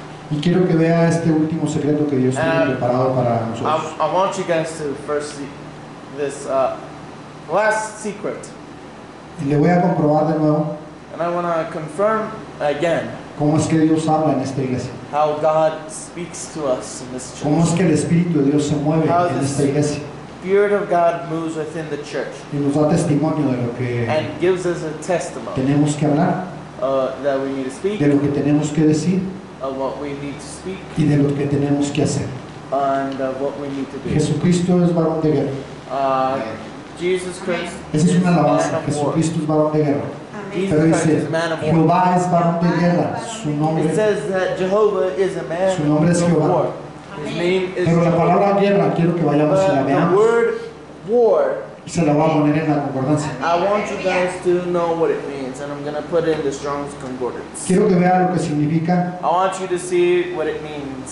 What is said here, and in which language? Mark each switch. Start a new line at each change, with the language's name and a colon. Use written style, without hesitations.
Spanish: Y quiero que vea este último secreto que Dios tiene preparado para nosotros.
English: I want you guys to first see this last secret.
Spanish: Y le voy a comprobar de nuevo.
English: And I want to confirm again.
Spanish: ¿Cómo es que Dios habla en esta iglesia?
English: How God speaks to us in this church.
Spanish: ¿Cómo es que el Espíritu de Dios se mueve
English: how
Spanish: en esta iglesia?
English: Spirit of God moves within the church.
Spanish: Y nos da testimonio de lo que
English: and gives us a testimony.
Spanish: Tenemos que hablar.
English: That we need to speak.
Spanish: De lo que tenemos que decir.
English: Of what we need to speak.
Spanish: Y de lo que tenemos que hacer.
English: And of what we need to do.
Spanish: Jesucristo es varón de guerra.
English: Jesus Christ.
Spanish: Esa es una alabanza. Jesucristo es varón de guerra. Pero dice, Jehová es varón de guerra. Su nombre.
English: It says that Jehovah is a man.
Spanish: Su nombre es Jehová. Pero la palabra guerra quiero que vayamos y la veamos.
English: The word war.
Spanish: Se la voy a poner en la concordancia.
English: I want you guys to know what it means, and I'm gonna put it in the Strong's concordance.
Spanish: Quiero que vea lo que significa.
English: I want you to see what it means.